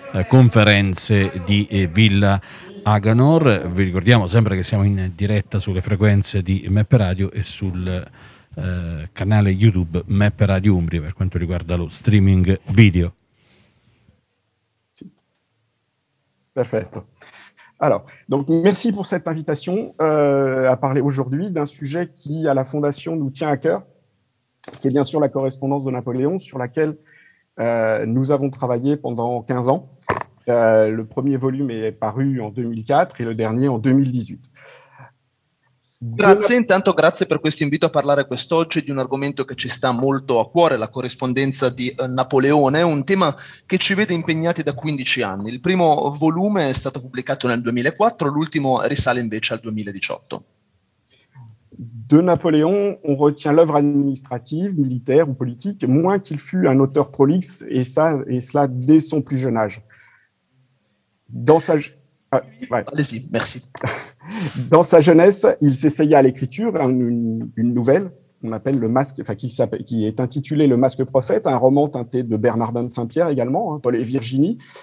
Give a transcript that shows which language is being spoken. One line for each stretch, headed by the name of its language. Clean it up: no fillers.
Italian: conferenze di Villa Aganor, vi ricordiamo sempre che siamo in diretta sulle frequenze di MEP Radio e sul canale YouTube MEP Radio Umbria per quanto riguarda lo streaming video. Perfetto.
French: Alors, donc merci pour cette invitation à parler aujourd'hui d'un sujet qui, à la Fondation, nous tient à cœur, qui est bien sûr la correspondance de Napoléon, sur laquelle nous avons travaillé pendant 15 ans. Le premier volume est paru en 2004 et le dernier en 2018.
Italian: Grazie, intanto grazie per questo invito a parlare quest'oggi di un argomento che ci sta molto a cuore, la corrispondenza di Napoleone, un tema che ci vede impegnati da 15 anni. Il primo volume è stato pubblicato nel 2004, l'ultimo risale invece al 2018.
French: De Napoléon, on retient l'œuvre administrative, militaire ou politique, moins qu'il fut un auteur prolixe, et cela dès son plus jeune âge. Allez-y, merci. Dans sa jeunesse, il s'essaya à l'écriture, une nouvelle qu'on appelle le masque, qui est intitulé Le Masque Prophète, un roman teinté de Bernardin de Saint-Pierre également, hein, Paul et Virginie.